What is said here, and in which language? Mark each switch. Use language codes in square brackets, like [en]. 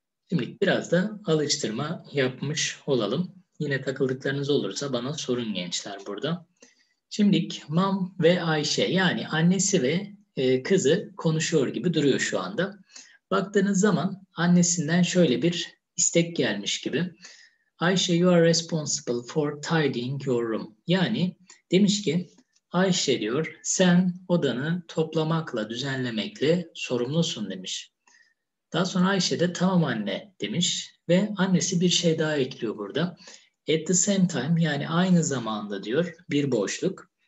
[tr] Şimdi biraz da alıştırma yapmış olalım. Yine takıldıklarınız olursa bana sorun gençler burada. Şimdi mom ve Ayşe, yani annesi ve kızı konuşuyor gibi duruyor şu anda. Baktığınız zaman annesinden şöyle bir istek gelmiş gibi. [en] Ayşe, you are responsible for tidying your room. [tr] Yani demiş ki Ayşe diyor, sen odanı toplamakla, düzenlemekle sorumlusun demiş. Daha sonra Ayşe de tamam anne demiş ve annesi bir şey daha ekliyor burada. [en] At the same time, [tr] yani aynı zamanda diyor, bir boşluk.